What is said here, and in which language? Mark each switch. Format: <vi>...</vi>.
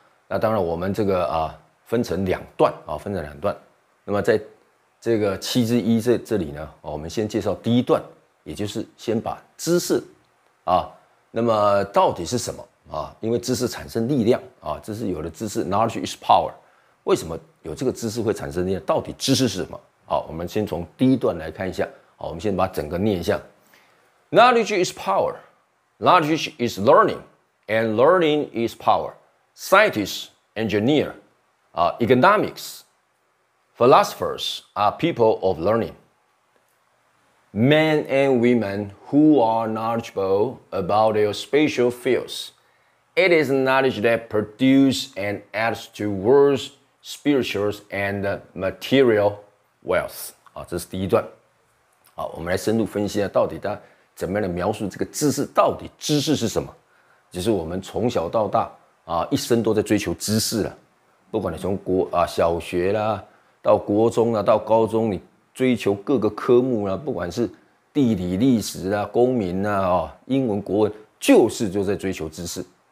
<zh>那当然我们这个分成两段分成两段，那么在这个七之一这里呢我们先介绍第一段，也就是先把知识那么到底是什么因为知识产生力量知识有了知识</zh> <en>Knowledge is power，</en> <zh>为什么有这个知识会产生力量，到底知识是什么我们先从第一段来看一下我们先把整个念一下。</zh> <en>Knowledge is power， Knowledge is learning， and learning is power。 Scientists, engineers, economics, philosophers are people of learning。 Men and women who are knowledgeable about their special fieldsIt is knowledge that produces and adds to worlds, spiritual and material wealth。</en> <zh>这是第一段我们来深入分析一下到底它怎么样的描述这个知识，到底知识是什么，就是我们从小到大一生都在追求知识了，不管你从小学啦到国中啦到高中，你追求各个科目啦，不管是地理历史啦公民啦英文国文，就在追求知识。</zh>